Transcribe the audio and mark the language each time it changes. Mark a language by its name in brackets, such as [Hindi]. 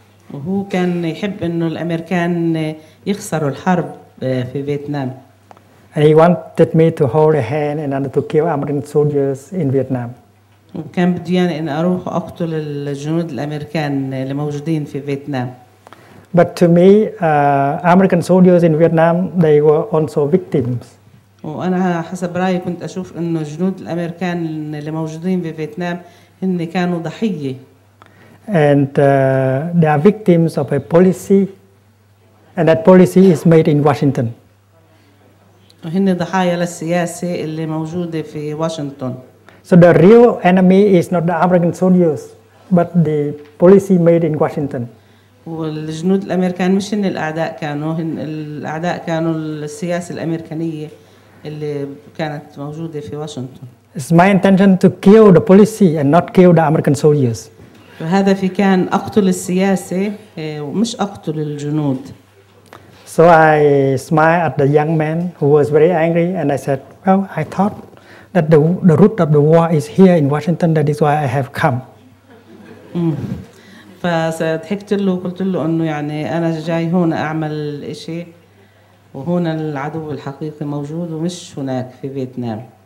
[Arabic] وهو كان يحب انه الامريكان يخسروا الحرب في فيتنام [English] and he wanted me to hold a hand in order to kill American soldiers in Vietnam [Arabic] وكان بدي يعني ان اروح اقتل الجنود الامريكان اللي موجودين في فيتنام. [English] But to me, American soldiers in Vietnam, they were also victims. [Arabic] وانا حسب رايي كنت اشوف انه الجنود الامريكان اللي موجودين في فيتنام هن كانوا ضحيه. [English] And they are victims of a policy, and that policy is made in Washington. [Arabic] وهن ضحايا للسياسه اللي موجوده في واشنطن. [English] So the real enemy is not the American soldiers, but the policy made in Washington. [Arabic] والجنود الأمريكان مش إن الأعداء كانوا هن الأعداء كانوا السياسة الأمريكانية اللي كانت موجودة في واشنطن. [English] It's my intention to kill the policy and not kill the American soldiers. [Arabic] هدفي كان أقتل السياسة ومش أقتل الجنود. [English] So I smiled at the young man who was very angry and I said, well, I thought that the root of the war is here in Washington, that is why I have come. [Arabic] فضحكت له وقلت له انه يعني انا جاي هون اعمل شيء وهون العدو الحقيقي موجود ومش هناك في فيتنام.